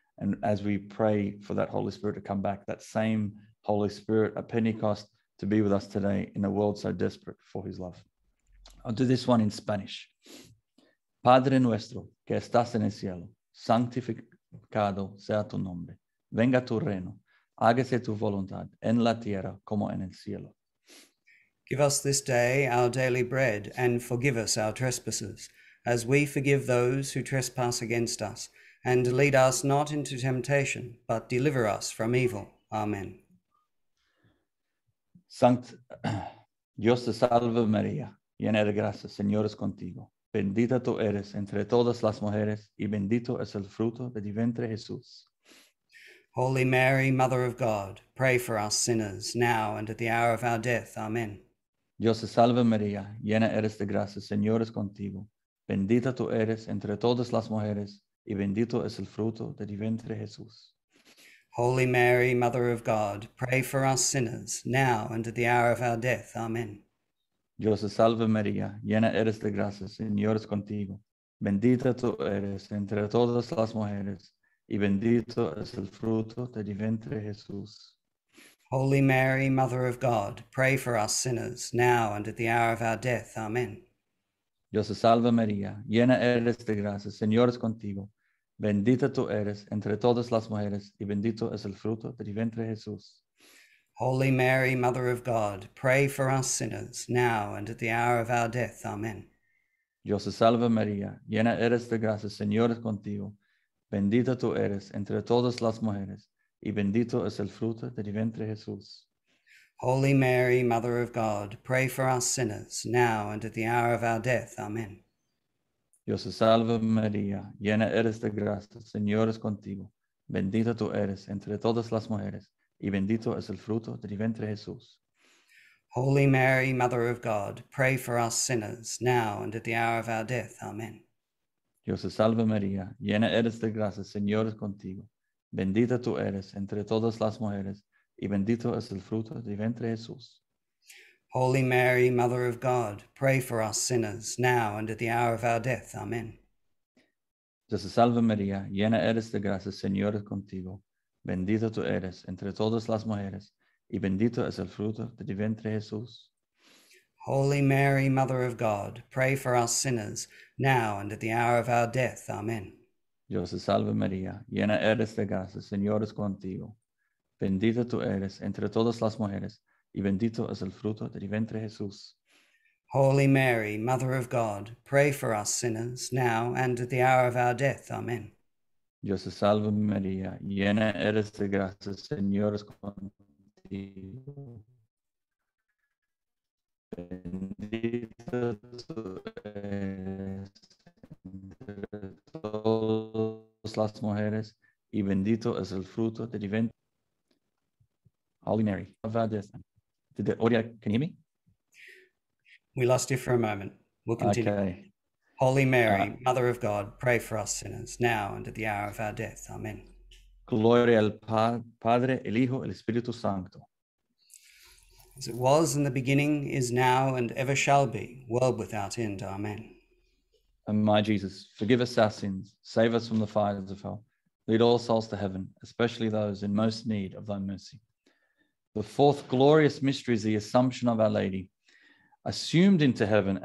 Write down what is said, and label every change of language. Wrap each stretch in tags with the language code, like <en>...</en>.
<en>And as we pray for that Holy Spirit to come back, that same Holy Spirit at Pentecost to be with us today in a world so desperate for his love. I'll do this one in Spanish.</en> <es>Padre nuestro que estás en el cielo, santificado sea tu nombre. Venga tu reino. Hágase tu voluntad en la tierra como en el cielo.</es> <en>Give us this day our daily bread, and forgive us our trespasses, as we forgive those who trespass against us. And lead us not into temptation, but deliver us from evil. Amen.</en> <es>Sanct Dios te salve María, llena eres de gracia, Señor es contigo. Bendita tú eres entre todas las mujeres, y bendito es el fruto de tu vientre, Jesús.</es> <en>Holy Mary, Mother of God, pray for us sinners, now and at the hour of our death. Amen.</en> <es>Dios te salve María, llena eres de gracia, Señor es contigo. Bendita tú eres entre todas las mujeres, y bendito es el fruto de tu vientre, Jesús.</es> <en>Holy Mary, Mother of God, pray for us sinners, now and at the hour of our death. Amen.</en> <es>Dios te salve María, llena eres de gracia, Señor es contigo. Bendita tú eres entre todas las mujeres, y bendito es el fruto de tu vientre, Jesús.</es> <en>Holy Mary, Mother of God, pray for us sinners, now and at the hour of our death. Amen.</en> <es>Dios te salve María, llena eres de gracia, Señor es contigo. Bendita tú eres entre todas las mujeres, y bendito es el fruto de tu vientre, Jesús.</es> <en>Holy Mary, Mother of God, pray for us sinners, now and at the hour of our death. Amen.</en> <es>Dios te salve María, llena eres de gracia, Señor es contigo. Bendita tú eres entre todas las mujeres, y bendito es el fruto de tu vientre, Jesús.</es> <en>Holy Mary, Mother of God, pray for us sinners, now and at the hour of our death. Amen.</en> <es>Dios te salve María, llena eres de gracia, Señor es contigo. Bendita tú eres entre todas las mujeres, y bendito es el fruto de tu vientre, Jesús.</es> <en>Holy Mary, Mother of God, pray for us sinners, now and at the hour of our death. Amen.</en> <es>Dios te salve María, llena eres de gracia, Señor es contigo. Bendita tú eres entre todas las mujeres, y bendito es el fruto de tu vientre, Jesús.</es> <en>Holy Mary, Mother of God, pray for us sinners, now and at the hour of our death. Amen.</en> <es>Dios te salve María, llena eres de gracia, Señor es contigo. Bendita tú eres entre todas las mujeres, y bendito es el fruto de tu vientre, Jesús.</es> <en>Holy Mary, Mother of God, pray for us sinners, now and at the hour of our death. Amen.</en> <es>Dios te salve María, llena eres de gracia, Señor es contigo. Bendita tú eres entre todas las mujeres, y bendito es el fruto de tu vientre, Jesús.</es> <en>Holy Mary, Mother of God, pray for us sinners, now and at the hour of our death. Amen.</en> <es>Dios te salve María, llena eres de gracia, Señor es contigo. Bendita tú eres entre todas las mujeres, y bendito es el fruto de tu vientre.</es> <en>Holy Mary, of our death. Did the audio, can you hear me? We lost you for a moment. We'll continue. Okay. Holy Mary, Mother of God, pray for us sinners now and at the hour of our death. Amen.</en> <es>Gloria al Padre, el Hijo, el Espíritu Santo.</es> <en>As it was in the beginning, is now, and ever shall be, world without end. Amen. And my Jesus, forgive us our sins, save us from the fires of hell, lead all souls to heaven, especially those in most need of thy mercy. The fourth glorious mystery is the Assumption of Our Lady, assumed into heaven.</en>